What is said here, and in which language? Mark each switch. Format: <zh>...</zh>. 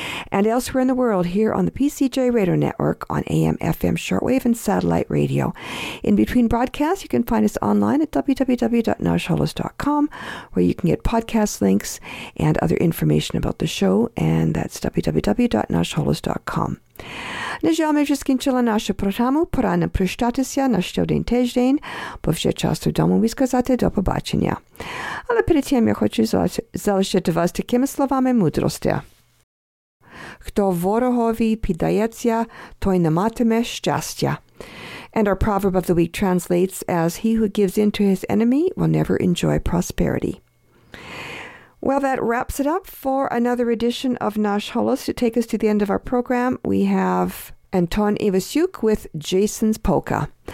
<en>And elsewhere in the world, here on the PCJ Radio Network on AM, FM, shortwave, and satellite radio. In between broadcasts, you can find us online at www.nashholos.com, where you can get podcast links and other information about the show, and that's www.nashholos.com.</en> <uk>Нажаємо, що скінчила нашу програму. Пора не прощатися на щодень тиждень, бо вже час додому висказати до побачення. Але перед тим я хочу залишити вас такими словами мудрості. Хто ворогові піддається, той не матиме щастя.</uk> <en>And our proverb of the week translates as, he who gives in to his enemy will never enjoy prosperity. Well, that wraps it up for another edition of Nash Holos. To take us to the end of our program, we have Anton Ivasyuk with Jason's Polka.</en>